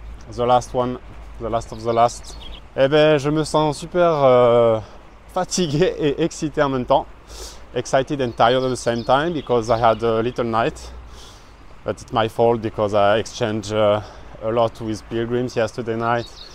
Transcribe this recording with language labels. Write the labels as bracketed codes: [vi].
[en] The last one, the last of the last. [fr] Eh bien, je me sens super fatigué et excité en même temps. [en] Excited and tired at the same time because I had a little night. But it's my fault because I exchanged a lot with pilgrims yesterday night.